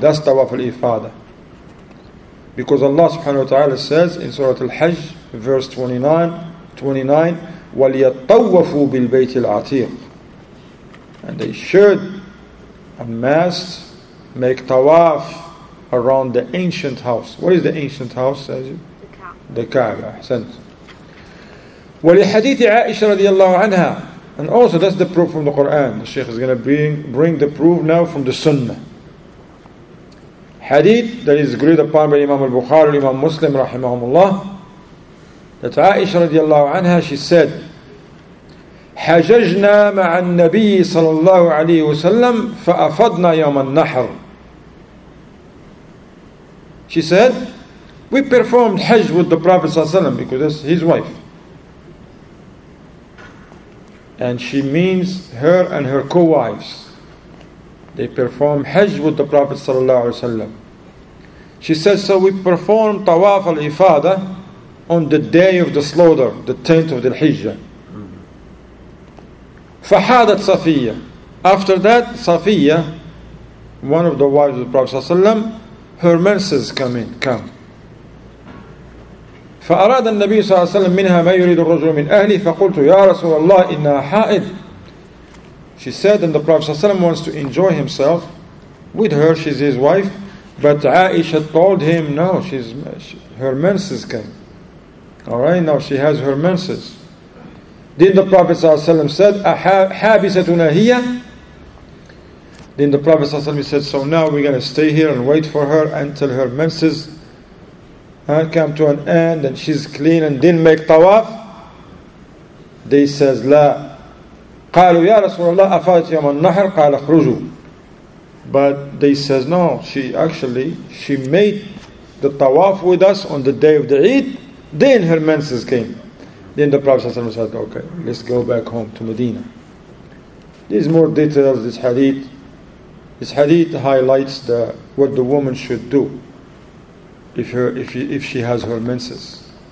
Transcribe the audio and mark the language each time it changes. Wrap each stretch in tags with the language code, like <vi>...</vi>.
<en>That's Tawaf al-Ifada. Because Allah subhanahu wa ta'ala says in Surah Al-Hajj, verse 29,</en> <ar>وَلْيَطَّوَّفُوا بِالْبَيْتِ الْعَتِيقِ.</ar> <en>And they should and must make Tawaf around the ancient house. What is the ancient house, says you? The Kaaba. The Kaaba.</en> <ar>ولحديث عائشة رضي الله عنها.</ar> <en>And also that's the proof from the Quran. The Sheikh is going to bring the proof now from the Sunnah. Hadith that is agreed upon by Imam al-Bukhari and Imam Muslim rahimahumullah, that عائشة رضي الله عنها, she said,</en> <ar>حججنا مع النبي صلى الله عليه وسلم فأفضنا يوم النحر.</ar> <en>She said, we performed Hajj with the Prophet صلى الله عليه وسلم, because that's his wife. And she means her and her co-wives. They perform Hajj with the Prophet sallallahu alaihi wasallam. She says, so we perform Tawaf al-Ifada on the day of the slaughter, the 10th of the Hijjah. Fahadat Safiya. After that, Safiya, one of the wives of the Prophet sallallahu alaihi wasallam, her menses come.</en> <ar>فأراد النبي صلى الله عليه وسلم منها ما يريد الرجل من أهلي فقلت يا رسول الله إنها حائض.</ar> <en>She said, and the Prophet صلى الله عليه وسلم wants to enjoy himself with her, she's his wife, but Aisha told him, no, her menses came. All right, now she has her menses. Then the Prophet صلى الله عليه وسلم said,</en> <ar>أحابستنا هي.</ar> <en>Then the Prophet صلى الله عليه وسلم said, so now we're going to stay here and wait for her until her menses and come to an end and she's clean and didn't make tawaf. They says, La.</en> <ar>قالوا يا رسول الله أفادت يوم النحر قال اخرجوا.</ar> <en>But they says, no, she made the tawaf with us on the day of the Eid, Then her menses came. Then the Prophet ﷺ said, okay, let's go back home to Medina. There's more details, this hadith. This hadith highlights the what the woman should do if she has her menses.</en>